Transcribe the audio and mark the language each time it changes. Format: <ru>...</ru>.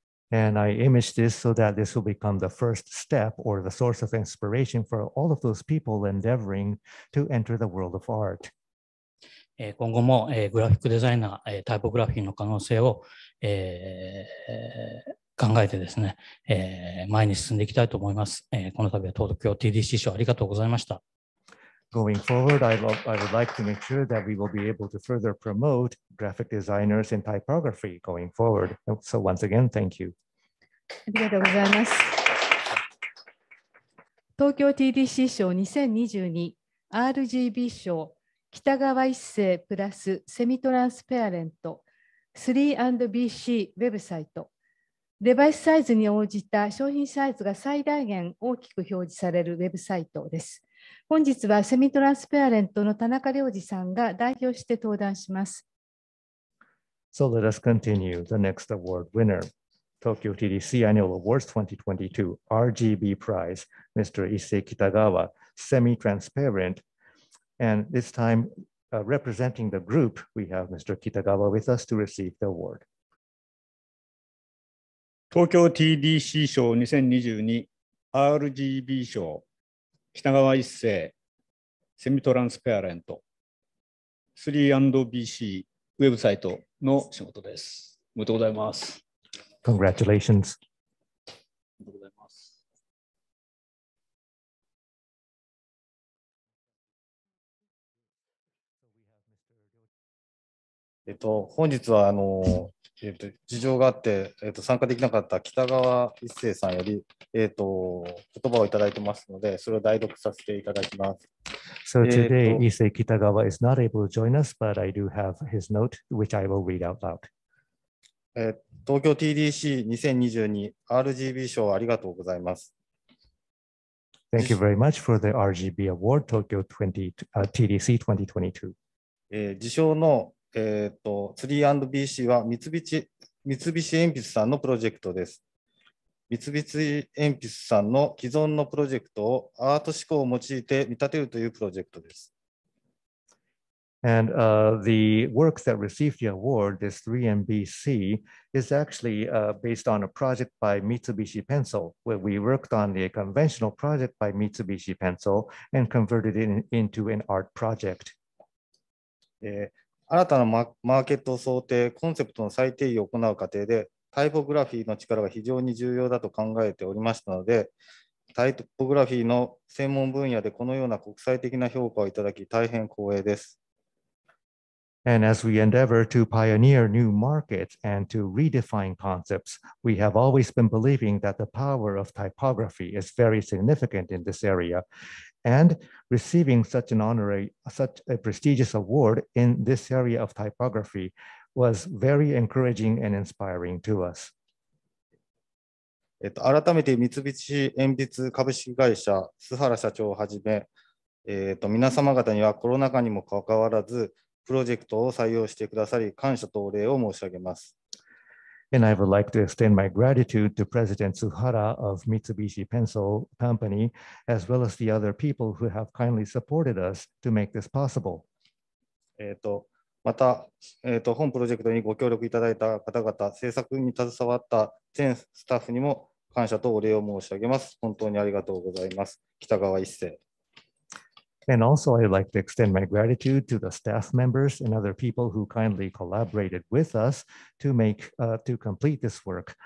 <en>And I image this so that this will become the first step or the source of inspiration for all of those people endeavoring to enter the world of art.</en> <ja>今後もグラフィックデザイナー、タイポグラフィーの可能性を考えてですね、前に進んでいきたいと思います。この度は東京 TDC 賞ありがとうございました。</ja> <en>Going forward, I would like to make sure that we will be able to further promote graphic designers and typography going forward. So once again, thank you.</en> <ja>ありがとうございます。東京 TDC 賞2022 RGB 賞北川一成プラスセミトランスペアレント 3&BC ウェブサイト。デバイスサイズに応じた商品サイズが最大限大きく表示されるウェブサイトです。本日はセミトランスペアレントの田中良二さんが代表して登壇します。</ja> <en>So let us continue the next award winner. Tokyo TDC Annual Awards 2022 RGB Prize, Mr. Issei Kitagawa, Semi-Transparent. And this time, representing the group, we have Mr. Kitagawa with us to receive the award.</en> <ja>東京 TDC 賞2022 RGB 賞北川一成、セミトランスペアレント 3&BC ウェブサイトの仕事です。おめでとうございます。</ja> <en>Congratulations。</en> <ja>おめでとうございます。本日は事情があって、参加できなかった北川一成さんより、言葉をいただいてますので、それを代読させていただきます。</ja> <en>So today, Issei Kitagawa is not able to join us, but I do have his note, which I will read out loud.</en> <ja>東京 TDC 2022 RGB 賞ありがとうございます。</ja> <en>Thank you very much for the RGB Award, Tokyo TDC 2022.</en> <ja>受賞の3&BC は三菱鉛筆さんのプロジェクトです。三菱鉛筆さんの既存のプロジェクトをアート思考を用いて見立てるというプロジェクトです。</ja> <en>And the work that received the award, this 3&BC, is actually based on a project by Mitsubishi Pencil, where we worked on the conventional project by Mitsubishi Pencil and converted it into an art project.</en> <ja>新たなマーケットを想定、コンセプトの再定義を行う過程で、タイポグラフィーの力が非常に重要だと考えておりましたので、タイポグラフィーの専門分野でこのような国際的な評価をいただき、大変光栄です。</ja> <en>And as we endeavor to pioneer new markets and to redefine concepts, we have always been believing that the power of typography is very significant in this area. And receiving such an honorary, such a prestigious award in this area of typography was very encouraging and inspiring to us.</en> <ja>改めて三菱鉛筆株式会社、須原社長をはじめ、皆様方にはコロナ禍にもかかわらず、プロジェクトを採用してくださり、感謝とお礼を申し上げます。</ja> <en>And I would like to extend my gratitude to President Suhara of Mitsubishi Pencil Company, as well as the other people who have kindly supported us to make this possible.</en> <ja>また、本プロジェクトにご協力いただいた方々、制作に携わった全スタッフにも感謝とお礼を申し上げます。本当にありがとうございます。北川一成。</ja> <en>And also I'd like to extend my gratitude to the staff members and other people who kindly collaborated with us to make, to complete this work.</en>